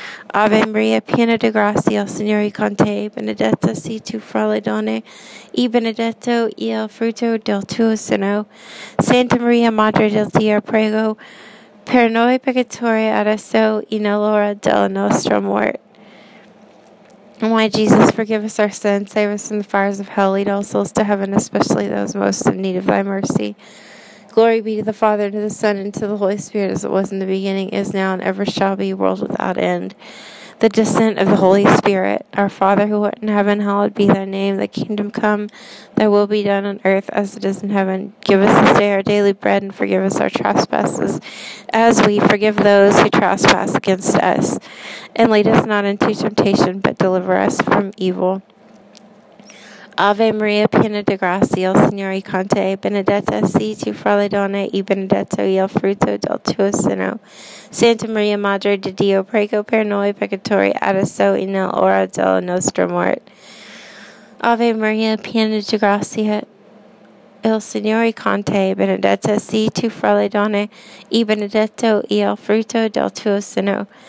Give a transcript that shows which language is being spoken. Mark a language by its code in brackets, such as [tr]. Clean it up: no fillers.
[it] Ave Maria, piena di grazia, il Signore con te. Benedetta sei tu fra le donne, e benedetto il frutto del tuo seno. Santa Maria, Madre del Dio, prego per noi peccatori adesso e nell'ora della nostra morte. [en] My Jesus, forgive us our sins, save us from the fires of hell, lead all souls to heaven, especially those most in need of thy mercy. Glory be to the Father, and to the Son, and to the Holy Spirit, as it was in the beginning, is now, and ever shall be, world without end. the descent of the Holy Spirit. Our Father who art in heaven, hallowed be thy name. Thy kingdom come, thy will be done on earth as it is in heaven. Give us this day our daily bread, and forgive us our trespasses, as we forgive those who trespass against us. And lead us not into temptation, but deliver us from evil. [it] Ave Maria, piena di grazia, il Signore con te, benedetta sei tu fra le donne, e benedetto il frutto del tuo seno. Santa Maria, Madre di Dio, prega per noi peccatori, adesso e nell'ora della nostra morte. Ave Maria, piena di grazia, il Signore con te, benedetta sei tu fra le donne, e benedetto il frutto del tuo seno.